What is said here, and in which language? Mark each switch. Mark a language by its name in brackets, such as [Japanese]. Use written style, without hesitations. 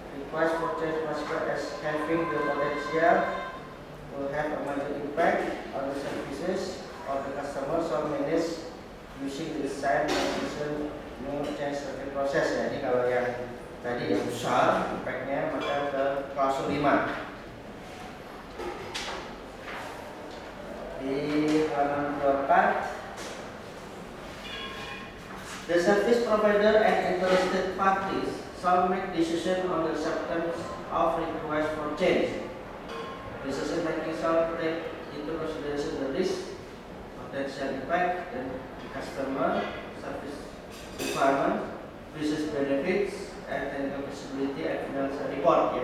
[English] Request for change classified as having the potential will have a major impact on the services of the customer, so manage using the same decision [Indonesian] mengerjakan sebagai proses ya. Ini kalau yang tadi yang besar impact-nya maka ke kelas 5. Di halaman 24, [English] the service provider and interested parties shall make decision on the acceptance of request for change. Decision making shall take into consideration the risk, potential impact, and customer service requirement, business benefits, and technical feasibility and financial report.